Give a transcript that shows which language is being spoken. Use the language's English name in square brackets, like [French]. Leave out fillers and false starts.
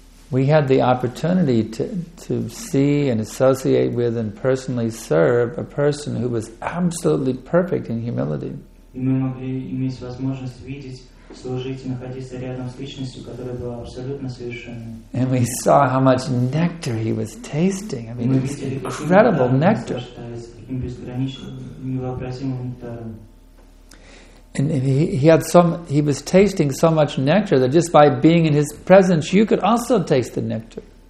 [English] We had the opportunity to see and associate with and personally serve a person who was absolutely perfect in humility. [Russian] И мы могли иметь возможность видеть, служить и находиться рядом с личностью, которая была абсолютно совершенной. [English] And we saw how much nectar he was tasting. I mean, it's incredible nectar. [Russian] Каким безграничным, невообразимым нектаром. [English] And he was tasting so much nectar that just by being in his presence you could also taste the nectar.